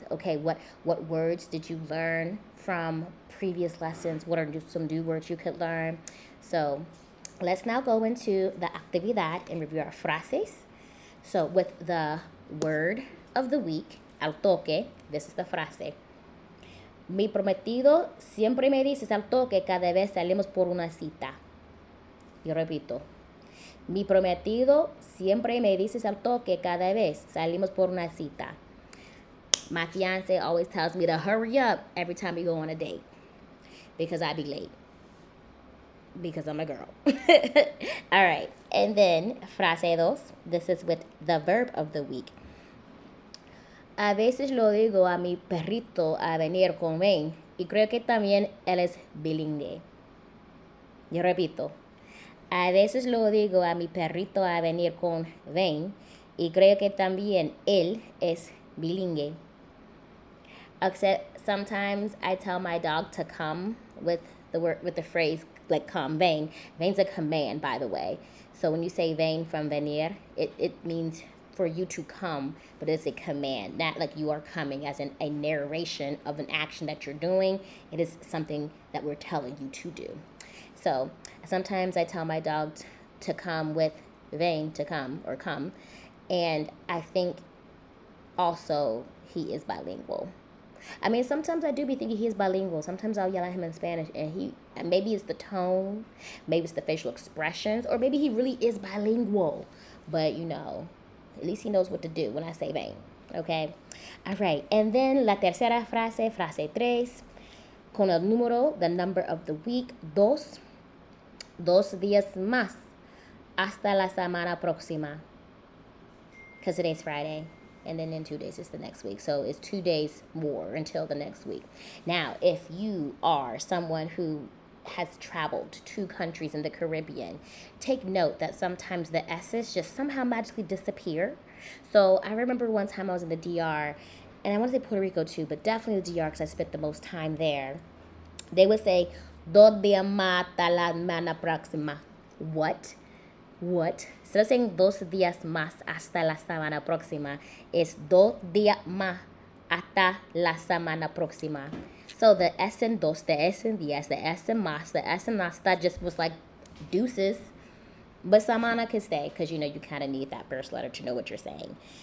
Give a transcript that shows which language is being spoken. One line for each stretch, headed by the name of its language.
English: Okay, what words did you learn from previous lessons? What are some new words you could learn? So let's now go into the actividad and review our frases. So with the word of the week, al toque, this is the frase.
Spanish: Mi prometido siempre me dice al toque cada vez salimos por una cita. Yo repito. Mi prometido siempre me dice al toque cada vez salimos por una cita.
English: My fiance always tells me to hurry up every time we go on a date because I be late. Because I'm a girl. All right. And then frase dos. This is with the verb of the week.
Spanish: A veces lo digo a mi perrito a venir conmigo y creo que también él es bilingüe. Yo repito. A veces lo digo a mi perrito a venir con Vane y creo que también él es bilingüe.
English: Except sometimes I tell my dog to come with the word, with the phrase like come, Vane. Vane's a command, by the way. So when you say Vane from venir, it means for you to come, but it's a command, not like you are coming as in a narration of an action that you're doing. It is something that we're telling you to do. So sometimes I tell my dog to come with Vane to come or come. And I think also he is bilingual. I mean, sometimes I do be thinking he is bilingual. Sometimes I'll yell at him in Spanish and he, maybe it's the tone, maybe it's the facial expressions, or maybe he really is bilingual. But you know, at least he knows what to do when I say Vane. Okay. All right. And then
Spanish: la tercera frase, frase tres, con el número,
English: the number of the week, dos.
Spanish: Dos días más hasta la semana próxima.
English: Because today's Friday, and then in 2 days is the next week. So it's 2 days more until the next week. Now, if you are someone who has traveled to countries in the Caribbean, take note that sometimes the S's just somehow magically disappear. So I remember one time I was in the DR, and I want to say Puerto Rico too, but definitely the DR because I spent the most time there. They would say,
Spanish: dos días más hasta la semana próxima.
English: What? Instead of saying
Spanish: dos días más hasta la semana próxima,
English: it's dos días más hasta la semana próxima. So the S and dos, the S and días, the S and más, the S and hasta just was like deuces. But semana could stay because, you know, you kind of need that first letter to know what you're saying.